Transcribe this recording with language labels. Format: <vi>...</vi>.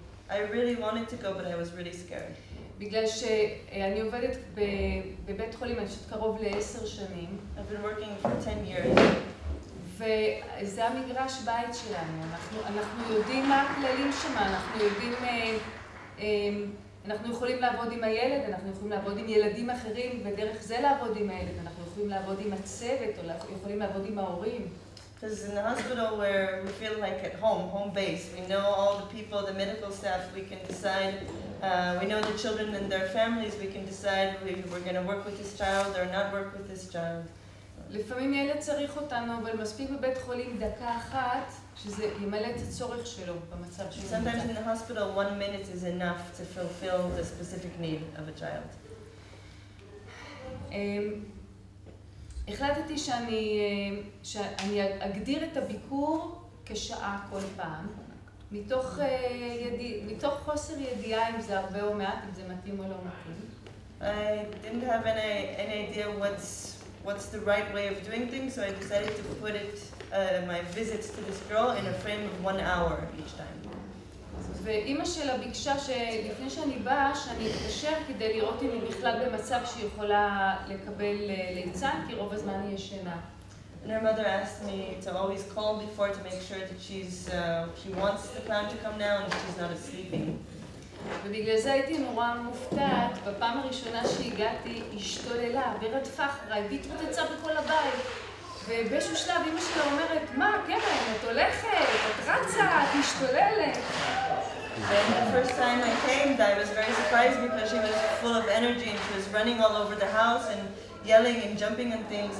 <en>I really wanted to go, but I was really scared.</en> <he>בגלל שאני עובדת בבית חולים, אני חושבת קרוב לעשר שנים.</he> <en>I've been working for 10 years.</en> <he>וזה המגרש בית שלנו. אנחנו יודעים מה הכללים שם, אנחנו יודעים, אנחנו יכולים לעבוד עם הילד, אנחנו יכולים לעבוד עם ילדים אחרים, ודרך זה לעבוד עם הילד, אנחנו יכולים לעבוד עם הצוות, או יכולים לעבוד עם ההורים.</he> <en>Because in the hospital where we feel like at home, home base, we know all the people, the medical staff, we can decide, we know the children and their families, we can decide if we're going to work with this child or not work with this child.</en> <he>לפעמים ילד צריך אותנו, אבל מספיק בבית חולים דקה אחת, שזה ימלא את הצורך שלו במצב שלו.</he> <en>Sometimes in the hospital, 1 minute is enough to fulfill the specific need of a child.</en> <he>החלטתי שאני אגדיר את הביקור כשעה כל פעם, מתוך חוסר ידיעה אם זה הרבה או מעט, אם זה מתאים או לא מתאים.</he> <en>I didn't have any idea what's the right way of doing things, so I decided to put it, my visits to this girl in a frame of 1 hour each time.</en> <he>ואימא שלה ביקשה שלפני שאני באה, שאני אתקשר כדי לראות אם היא בכלל במצב שהיא יכולה לקבל ליצן, כי רוב הזמן היא ישנה.</he> <en>And her mother asked me to always call before to make sure that she wants the clown to come now and she's not sleeping.</en> <he>ובגלל זה הייתי נורא מופתעת, בפעם הראשונה שהגעתי, השתוללה ורדפה אחריי, והתפוצצה בכל הבית. ובאיזשהו שלב אימא שלה אומרת, מה, קרן, את הולכת, את רצה, את משתוללת.</he> <en>And the first time I came, I was very surprised because she was full of energy and she was running all over the house and yelling and jumping on things.</en>